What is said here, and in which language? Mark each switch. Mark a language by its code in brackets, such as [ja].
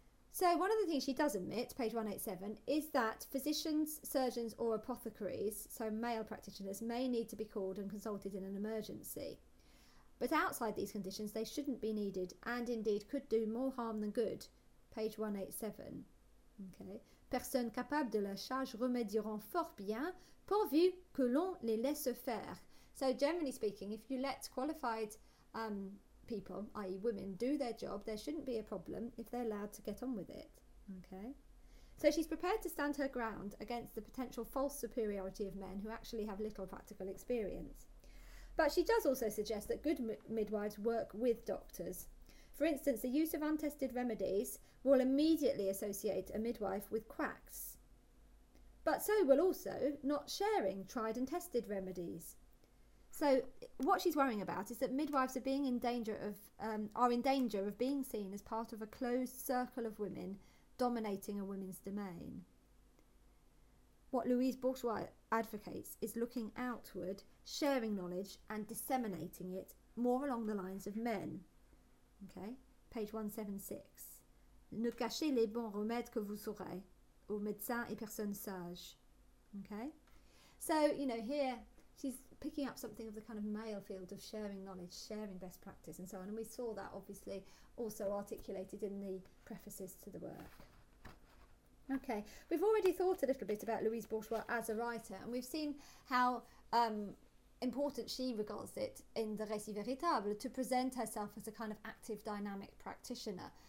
[en] So one of the things she does admit, page 187, is that physicians, surgeons or apothecaries, so male practitioners, may need to be called and consulted in an emergency. But outside these conditions, they shouldn't be needed and indeed could do more harm than good. Page 187. Okay. [fr] Personnes capables de la charge remédieront fort bien pourvu que l'on les laisse faire. [en] So generally speaking, if you let qualified people, i.e. women, do their job, there shouldn't be a problem if they're allowed to get on with it. Okay. So she's prepared to stand her ground against the potential false superiority of men who actually have little practical experience. But she does also suggest that good midwives work with doctors. For instance, the use of untested remedies will immediately associate a midwife with quacks. But so will also not sharing tried and tested remedies. So what she's worrying about is that midwives are being in danger of being seen as part of a closed circle of women dominating a women's domain. What Louise Bourgeois advocates is looking outward, sharing knowledge and disseminating it more along the lines of men. Okay, page 176. [fr] Ne cachez les bons remèdes que vous saurez aux médecins et personnes sages. [en] Okay, so, you know, here she's picking up something of the kind of male field of sharing knowledge, sharing best practice and so on. And we saw that obviously also articulated in the prefaces to the work. Okay, we've already thought a little bit about Louise Bourgeois as a writer, and we've seen how important she regards it in the Récit Véritable to present herself as a kind of active, dynamic practitioner.